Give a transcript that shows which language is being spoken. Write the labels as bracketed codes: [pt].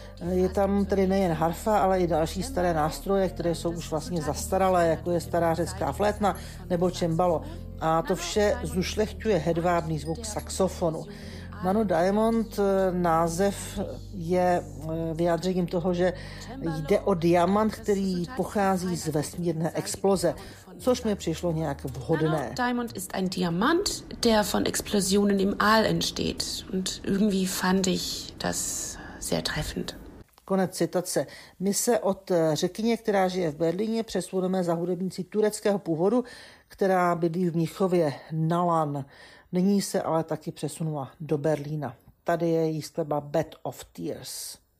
[cs] Je tam tedy nejen harfa, ale i další staré nástroje, které jsou už vlastně zastaralé, jako je stará řecká flétna nebo čembalo. A to vše zušlechťuje hedvábný zvuk saxofonu. Nano Diamond, název je vyjádřením toho, že jde o diamant, který pochází z vesmírné exploze, což mi přišlo nějak vhodné. [de] Nano Diamond ist ein Diamant, der von Explosionen im All entsteht. Und irgendwie fand ich das sehr treffend. [cs] Konec citace. My se od řekyně, která žije v Berlíně, přesuneme za hudebnici tureckého původu, která bydlí v Mnichově, Nalan. Nyní se ale taky přesunula do Berlína. Tady je její skladba Bed of Tears.